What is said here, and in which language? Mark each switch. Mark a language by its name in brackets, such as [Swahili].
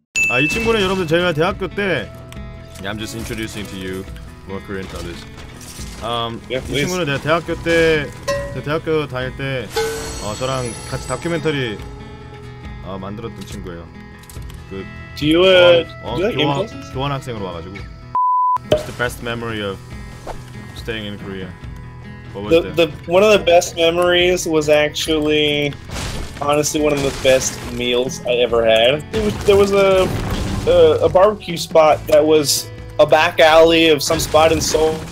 [Korean] Ah, 이 친구는 여러분들 제가 대학교 때. [English] Yeah, I'm just introducing to you more Korean brothers. [Korean] Yeah, 이 친구는 내가 대학교 때, 대학교 다닐 때, 저랑 같이 다큐멘터리 만들었던 친구예요. [English] 그 Do you [Korean] do 학생으로 와가지고. [English] What's the best memory of staying in Korea? One of the best memories was actually, honestly, one of the best meals I ever had. There was a barbecue spot that was a back alley of some spot in Seoul.